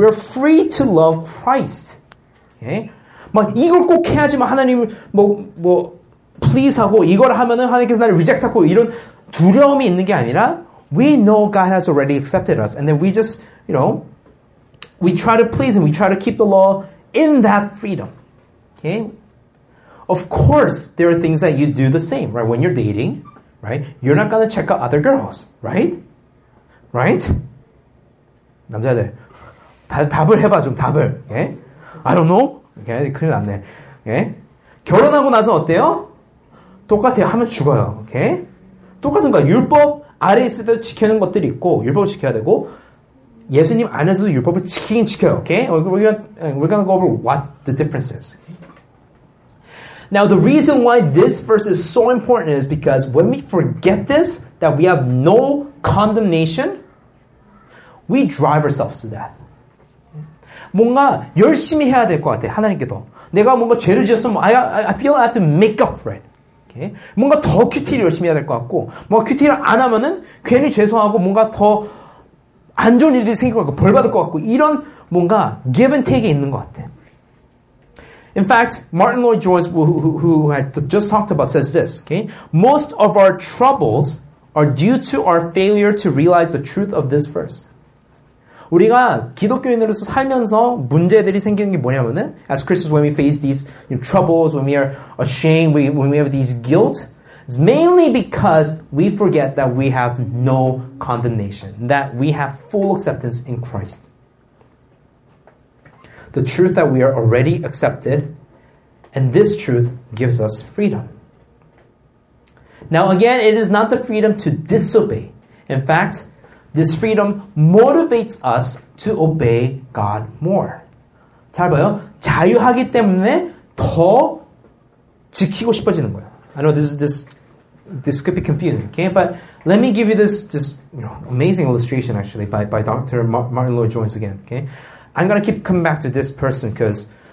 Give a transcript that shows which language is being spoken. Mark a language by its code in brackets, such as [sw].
[en] We are free to love Christ. Okay? [ko] 막 이걸 꼭 해야지만 하나님을 뭐 please 하고 이걸 하면은 하나님께서 나를 reject 하고 이런 두려움이 있는 게 아니라 [en] we know God has already accepted us and then we just, you know, we try to please and we try to keep the law in that freedom. Okay? Of course, there are things that you do the same, right? When you're dating, right? You're not gonna check out other girls, right? Right? [ko] 남자들, 답을 해봐 좀 답을. [en] Yeah? I don't know. Okay, [ko] 큰일 났네. [en] Yeah? [ko] 결혼하고 나서 어때요? 똑같아요. 하면 죽어요. Okay? 똑같은 거야. 율법 아래 있을 때 지키는 것들이 있고 율법을 지켜야 되고 예수님 안에서도 율법을 지키긴 지켜요. [en] Okay? We're gonna go over what the difference is. Now, the reason why this verse is so important is because when we forget this, that we have no condemnation, we drive ourselves to that. [ko] 뭔가 열심히 해야 될 것 같아. 하나님께 더. 내가 뭔가 죄를 지었으면 [en] I feel I have to make up for it. Okay? [ko] 뭔가 더 큐티를 열심히 해야 될 것 같고 뭔가 큐티를 안 하면은 괜히 죄송하고 뭔가 더 안 좋은 일들이 생길 것 같고 벌 받을 것 같고 이런 뭔가 give and take이 있는 것 같아. [en] In fact, Martin Lloyd-Jones, who I just talked about, says this, okay? Most of our troubles are due to our failure to realize the truth of this verse. [ko] 우리가 기독교인으로서 살면서 문제들이 생기는 게 뭐냐면은, [en] as Christians, when we face these troubles, when we are ashamed, when we have these guilt, it's mainly because we forget that we have no condemnation, that we have full acceptance in Christ. The truth that we are already accepted, and this truth gives us freedom. Now again, it is not the freedom to disobey. In fact, this freedom motivates us to obey God more. [ko] 잘 봐요. 자유하기 때문에 더 지키고 싶어지는 거예요. [en] I know this could be confusing, okay? But let me give you this amazing illustration actually by Dr. Martin Lloyd-Jones again, okay? I'm gonna keep coming back to this person because,